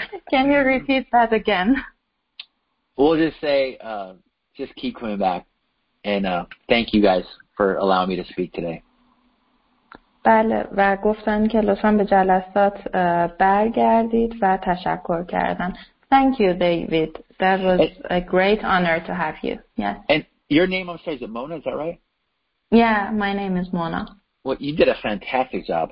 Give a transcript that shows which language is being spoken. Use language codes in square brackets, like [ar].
[en] Can you repeat that again? We'll just say just keep coming back and thank you guys for allowing me to speak today. [fa] بله و گفتن که لطفاً به جلسات برگردید و تشکر کردن. [en] Thank you, David. That was a great honor to have you. Yes. And your name upstairs is Mona, is that right? Yeah, my name is Mona. Well, you did a fantastic job.